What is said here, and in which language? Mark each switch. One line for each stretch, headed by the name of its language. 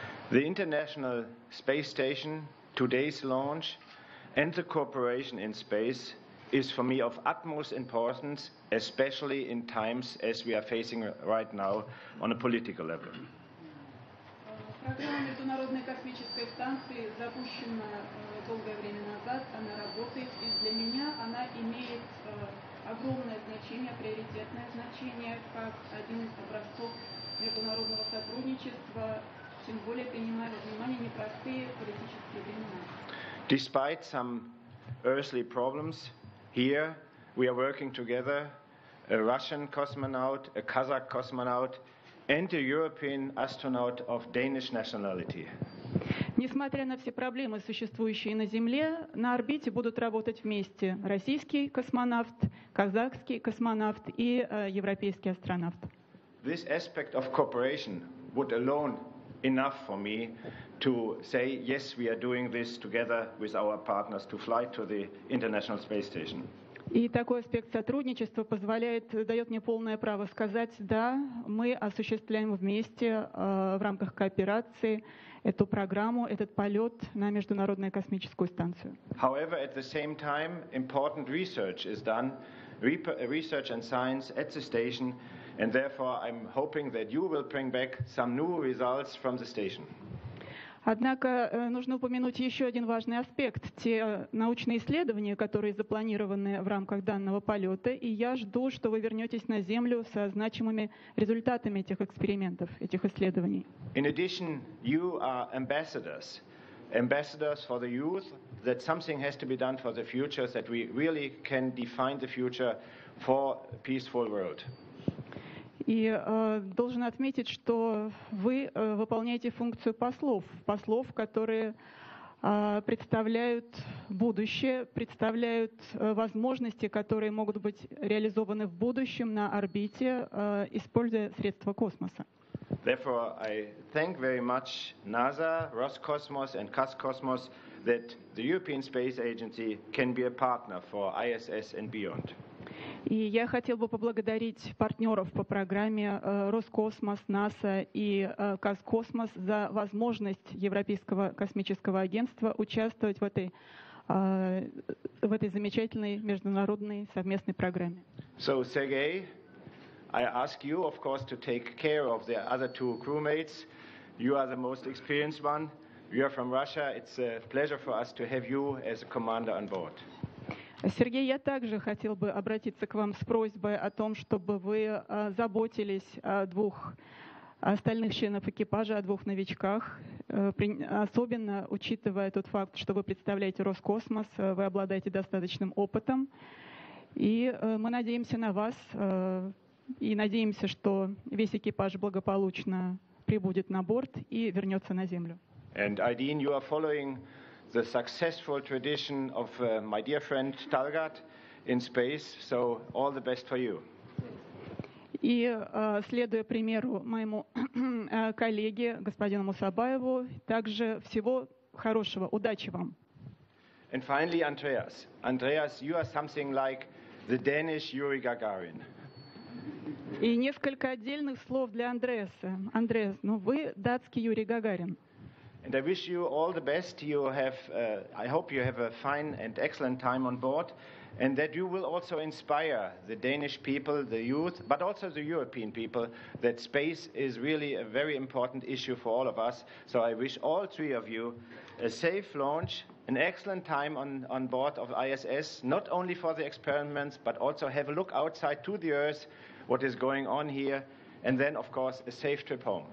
English: The International Space Station, today's launch, and the cooperation in space is for me of utmost importance, especially in times as we are facing right now on a political level.
Russian: Программа Международной космической станции запущена долгое время назад, она работает, и для меня она имеет огромное значение, приоритетное значение, как один из образцов международного сотрудничества, тем более принимая во внимание непростые политические времена.
English: Despite some earthly problems, here we are working together, a Russian cosmonaut, a Kazakh cosmonaut, and a European astronaut of Danish nationality.
Russian: Несмотря на все проблемы, существующие на Земле, на орбите будут работать вместе российский космонавт, казахский космонавт и европейский астронавт.
English: This aspect of cooperation would alone enough for me to say, yes, we are doing this together with our partners to fly to the International Space Station.
Russian: И такой аспект сотрудничества позволяет, дает мне полное право сказать, да, мы осуществляем вместе в рамках кооперации эту программу, этот полет на Международную космическую станцию.
English: However, at the same time, important research is done, research and science at the station, and therefore I'm hoping that you will bring back some new results from the station.
Russian: Однако нужно упомянуть еще один важный аспект. Те научные исследования, которые запланированы в рамках данного полета, и я жду, что вы вернетесь на Землю со значимыми результатами этих экспериментов, этих исследований.
English: In addition, you are ambassadors. Ambassadors for the youth, that something has to be done for the future, that we really can define the future for a peaceful world.
Russian: И должен отметить, что вы выполняете функцию послов, послов, которые представляют будущее, представляют возможности, которые могут быть реализованы в будущем на орбите, используя средства космоса.
English: Therefore, I thank very much NASA, Roscosmos and Kazcosmos that the European Space Agency can be a partner for ISS and beyond.
Russian: И я хотел бы поблагодарить партнеров по программе Роскосмос, НАСА и Казкосмос за возможность Европейского космического агентства участвовать в этой замечательной международной совместной программе.
English: So, Sergey, I ask you, of course, to take care of the other two crewmates. You are the most experienced one. You are from Russia. It's a pleasure for us to have you as a commander on board.
Russian: Сергей, я также хотел бы обратиться к вам с просьбой о том, чтобы вы заботились о двух остальных членов экипажа, о двух новичках, особенно учитывая тот факт, что вы представляете Роскосмос, вы обладаете достаточным опытом, и мы надеемся на вас, и надеемся, что весь экипаж благополучно прибудет на борт и вернется на Землю.
English: And Aydin, you are following the successful tradition of my dear friend Talgat in space, so all the best for you.
Russian: И следуя примеру моему коллеге господину Мусабаеву, также всего хорошего, удачи вам.
English: And finally, Andreas. Andreas, you are something like the Danish Yuri Gagarin.
Russian: И несколько отдельных слов для Андреаса. Андреас, ну вы датский Юрий Гагарин.
English: And I wish you all the best. You have, I hope you have a fine and excellent time on board, and that you will also inspire the Danish people, the youth, but also the European people, that space is really a very important issue for all of us. So I wish all three of you a safe launch, an excellent time on board of ISS, not only for the experiments, but also have a look outside to the Earth, what is going on here, and then, of course, a safe trip home.